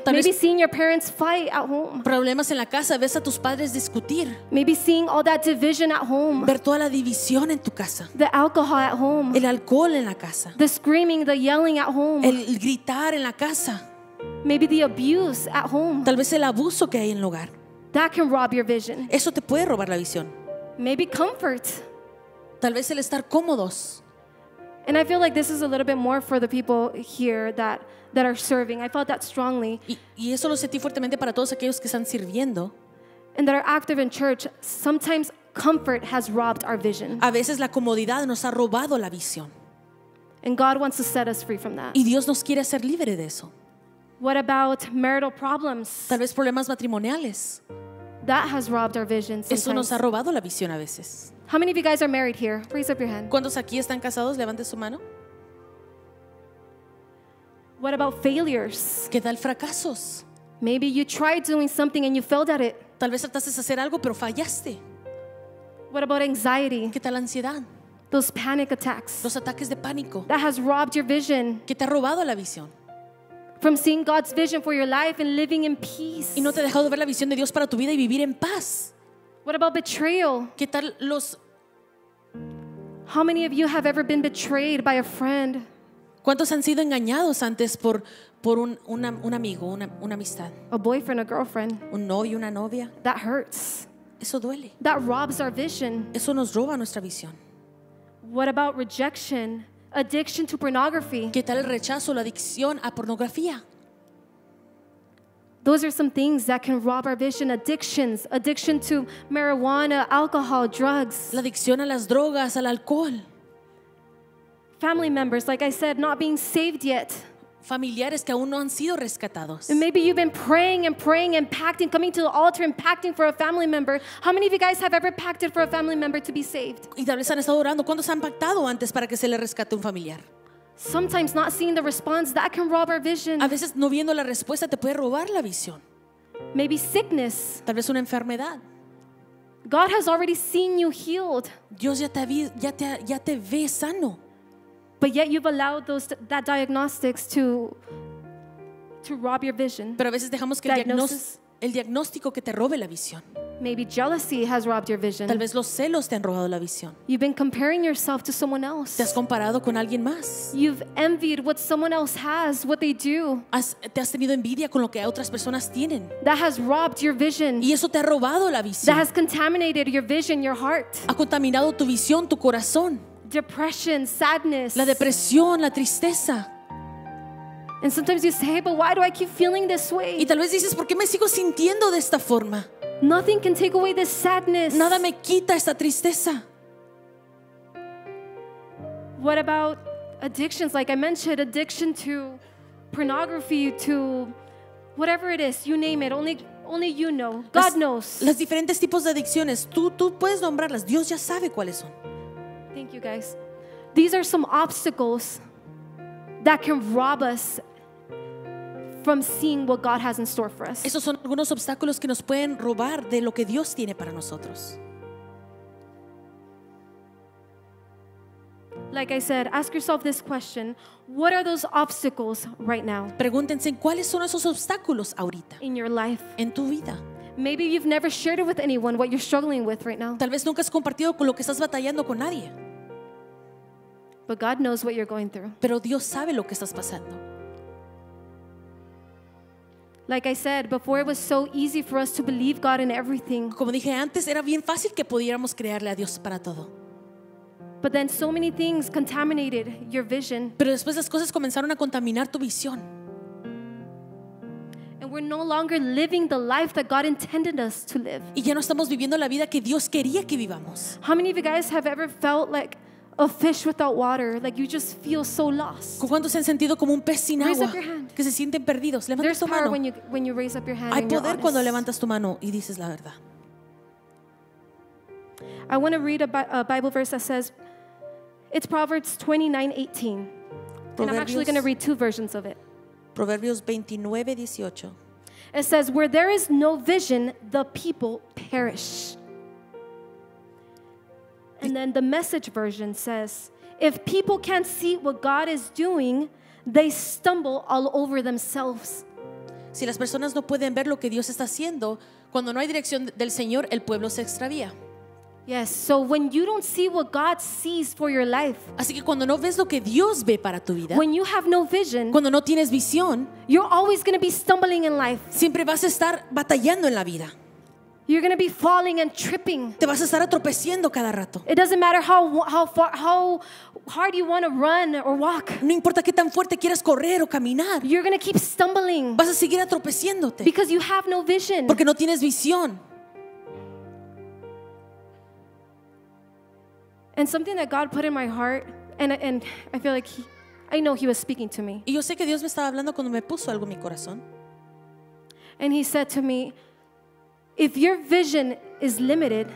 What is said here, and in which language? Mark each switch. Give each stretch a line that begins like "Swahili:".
English: Maybe seeing your parents fight at home.
Spanish: Problemas en la casa, ves a tus padres discutir.
English: Maybe seeing all that division at home.
Spanish: Ver toda la división en tu casa.
English: The alcohol at home.
Spanish: El alcohol en la casa.
English: The screaming, the yelling at home.
Spanish: El gritar en la casa.
English: Maybe the abuse at home.
Spanish: Tal vez el abuso que hay en el hogar.
English: That can rob your vision.
Spanish: Eso te puede robar la visión.
English: Maybe comfort.
Spanish: Tal vez el estar cómodos.
English: And I feel like this is a little bit more for the people here that are serving. I felt that strongly.
Spanish: Y eso lo sentí fuertemente para todos aquellos que están sirviendo.
English: And that are active in church. Sometimes comfort has robbed our vision.
Spanish: A veces la comodidad nos ha robado la visión.
English: And God wants to set us free from that.
Spanish: Y Dios nos quiere hacer libre de eso.
English: What about marital problems?
Spanish: Tal vez problemas matrimoniales.
English: That has robbed our vision sometimes.
Spanish: Eso nos ha robado la visión a veces.
English: How many of you guys are married here? Raise up your hand.
Spanish: ¿Cuántos aquí están casados? Levante su mano.
English: What about failures?
Spanish: ¿Qué tal fracasos?
English: Maybe you tried doing something and you failed at it.
Spanish: Tal vez trataste de hacer algo pero fallaste.
English: What about anxiety?
Spanish: ¿Qué tal ansiedad?
English: Those panic attacks.
Spanish: Los ataques de pánico.
English: That has robbed your vision.
Spanish: ¿Qué te ha robado la visión?
English: From seeing God's vision for your life and living in peace.
Spanish: ¿Y no te ha dejado ver la visión de Dios para tu vida y vivir en paz?
English: What about betrayal?
Spanish: ¿Qué tal los?
English: How many of you have ever been betrayed by a friend?
Spanish: ¿Cuántos han sido engañados antes por un amigo, una amistad?
English: A boyfriend, a girlfriend.
Spanish: Un novio, una novia.
English: That hurts.
Spanish: Eso duele.
English: That robs our vision.
Spanish: Eso nos roba nuestra visión.
English: What about rejection? Addiction to pornography.
Spanish: ¿Qué tal el rechazo, la adicción a pornografía?
English: Those are some things that can rob our vision. Addictions, addiction to marijuana, alcohol, drugs.
Spanish: La adicción a las drogas, al alcohol.
English: Family members, like I said, not being saved yet.
Spanish: Familiares que aún no han sido rescatados.
English: And maybe you've been praying and praying and pacting, coming to the altar and pacting for a family member. How many of you guys have ever pacted for a family member to be saved?
Spanish: Y tal vez han estado orando. ¿Cuántos han pactado antes para que se le rescate un familiar?
English: Sometimes not seeing the response, that can rob our vision.
Spanish: A veces no viendo la respuesta te puede robar la visión.
English: Maybe sickness.
Spanish: Tal vez una enfermedad.
English: God has already seen you healed.
Spanish: Dios ya te ve sano.
English: But yet you've allowed that diagnostics to rob your vision.
Spanish: Pero a veces dejamos que el diagnóstico que te robe la visión.
English: Maybe jealousy has robbed your vision.
Spanish: Tal vez los celos te han robado la visión.
English: You've been comparing yourself to someone else.
Spanish: Te has comparado con alguien más.
English: You've envied what someone else has, what they do.
Spanish: Te has tenido envidia con lo que otras personas tienen.
English: That has robbed your vision.
Spanish: Y eso te ha robado la visión.
English: That has contaminated your vision, your heart.
Spanish: Ha contaminado tu visión, tu corazón.
English: Depression, sadness.
Spanish: La depresión, la tristeza.
English: And sometimes you say, but why do I keep feeling this way?
Spanish: Y tal vez dices, ¿por qué me sigo sintiendo de esta forma?
English: Nothing can take away this sadness.
Spanish: Nada me quita esta tristeza.
English: What about addictions? Like I mentioned, addiction to pornography, to whatever it is, you name it. Only you know. God knows.
Spanish: Las diferentes tipos de adicciones, tú puedes nombrarlas. Dios ya sabe cuáles son.
English: Thank you guys. These are some obstacles that can rob us from seeing what God has in store for us.
Spanish: Esos son algunos obstáculos que nos pueden robar de lo que Dios tiene para nosotros.
English: Like I said, ask yourself this question. What are those obstacles right now?
Spanish: Pregúntense, ¿cuáles son esos obstáculos ahorita?
English: In your life.
Spanish: En tu vida.
English: Maybe you've never shared it with anyone what you're struggling with right now.
Spanish: Tal vez nunca has compartido con lo que estás batallando con nadie.
English: But God knows what you're going through.
Spanish: Pero Dios sabe lo que estás pasando.
English: Like I said, before it was so easy for us to believe God in everything.
Spanish: Como dije antes, era bien fácil que pudiéramos creerle a Dios para todo.
English: But then so many things contaminated your vision.
Spanish: Pero después las cosas comenzaron a contaminar tu visión.
English: And we're no longer living the life that God intended us to live.
Spanish: Y ya no estamos viviendo la vida que Dios quería que vivamos.
English: How many of you guys have ever felt like a fish without water, like you just feel so lost.
Spanish: ¿Cuántos se han sentido como un pez sin agua?
English: Raise up your hand.
Spanish: Que se sienten perdidos. Levanta
English: There's
Spanish: tu mano.
English: Power when you raise up your hand.
Spanish: Hay
English: and
Spanish: poder
English: you're
Spanish: cuando levantas tu mano y dices la verdad.
English: I want to read a Bible verse that says, it's Proverbs 29:18. And I'm actually going to read two versions of it.
Spanish: Proverbios 29:18.
English: It says, where there is no vision, the people perish. And then the Message version says, if people can't see what God is doing, they stumble all over themselves.
Spanish: Si las personas no pueden ver lo que Dios está haciendo, cuando no hay dirección del Señor, el pueblo se extravía.
English: Yes, so when you don't see what God sees for your life,
Spanish: así que cuando no ves lo que Dios ve para tu vida,
English: when you have no vision,
Spanish: cuando no tienes visión,
English: you're always going to be stumbling in life.
Spanish: Siempre vas a estar batallando en la vida.
English: You're going to be falling and tripping.
Spanish: Te vas a estar tropezando cada rato.
English: It doesn't matter how hard you want to run or walk.
Spanish: No importa qué tan fuerte quieras correr o caminar.
English: You're going to keep stumbling.
Spanish: Vas a seguir tropezándote.
English: Because you have no vision.
Spanish: Porque no tienes visión.
English: And something that God put in my heart, and I feel like I know He was speaking to me.
Spanish: Y yo sé que Dios me estaba hablando cuando me puso algo en mi corazón.
English: And He said to me, if your vision is limited,